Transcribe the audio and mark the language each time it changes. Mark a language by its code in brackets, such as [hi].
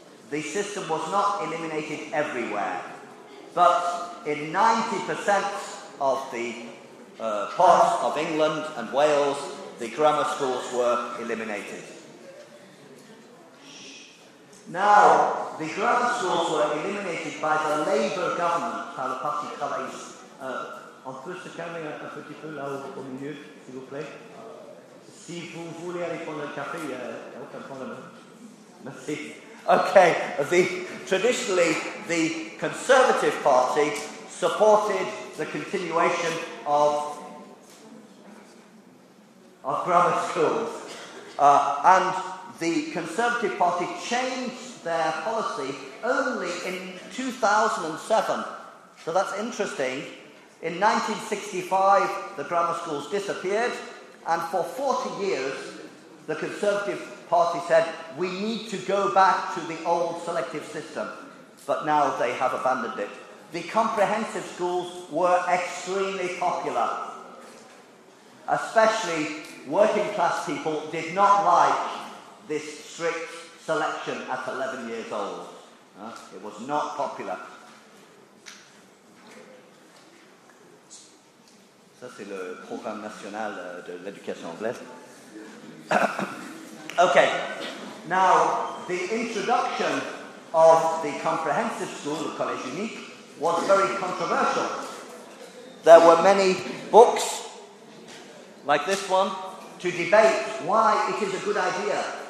[en] The system was not eliminated everywhere, but in 90% of the parts of England and Wales, the grammar schools were eliminated. Now, the grammar schools were eliminated by the Labour government, [fr] par le Parti Travailliste. On peut se calmer un petit peu là au milieu, s'il vous plaît. Si vous voulez aller prendre un café, il n'y a aucun problème. Merci. [en] Okay, traditionally, the Conservative Party supported the continuation of grammar schools. And the Conservative Party changed their policy only in 2007. So that's interesting. In 1965, the grammar schools disappeared, and for 40 years, the Conservative Party said, we need to go back to the old selective system. But now they have abandoned it. The comprehensive schools were extremely popular. Especially working class people did not like this strict selection at 11 years old. It was not popular. [fr] Ça, c'est le programme national de l'éducation anglaise. [en] Okay, now the introduction of the comprehensive school, le Collège Unique, was very controversial. There were many books, like this one, to debate why it is a good idea.